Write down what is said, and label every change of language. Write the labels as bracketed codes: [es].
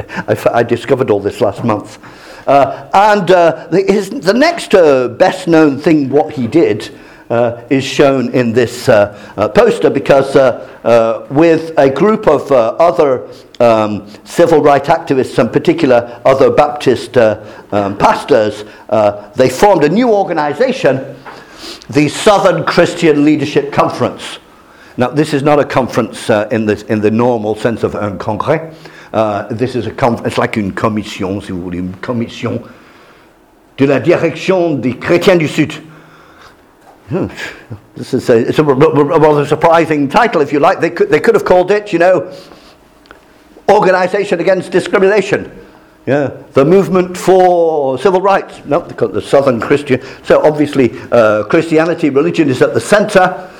[en] I discovered all this last month, and the next best known thing what he did is shown in this poster, because with a group of other civil rights activists, in particular other Baptist pastors, they formed a new organization, the Southern Christian Leadership Conference. Now, this is not a conference in the normal sense of [fr] un congrès. [en] This is it's like [fr] une commission, si vous voulez, une commission de la direction des chrétiens du Sud. [en] This is a rather surprising title, if you like. They could have called it, organization against discrimination. Yeah, the movement for civil rights. No, the Southern Christian. So obviously, Christianity, religion is at the centre.